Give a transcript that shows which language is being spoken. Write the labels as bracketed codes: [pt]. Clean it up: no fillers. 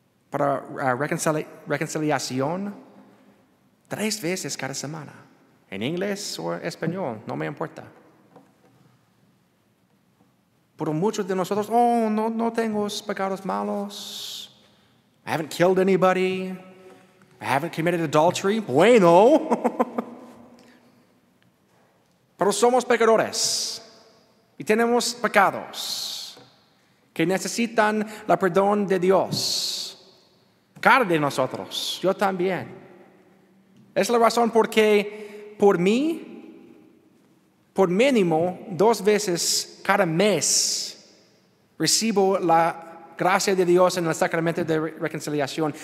[es] Para reconciliación, tres veces cada semana, en inglés o español, no me importa. Pero muchos de nosotros, oh, no tengo pecados malos. [en] I haven't killed anybody. I haven't committed adultery. [es] Bueno. Pero somos pecadores y tenemos pecados que necesitan la perdón de Dios. Cada de nosotros, yo también. Es la razón por qué, por mí, por mínimo dos veces cada mes, recibo la gracia de Dios en el sacramento de reconciliación.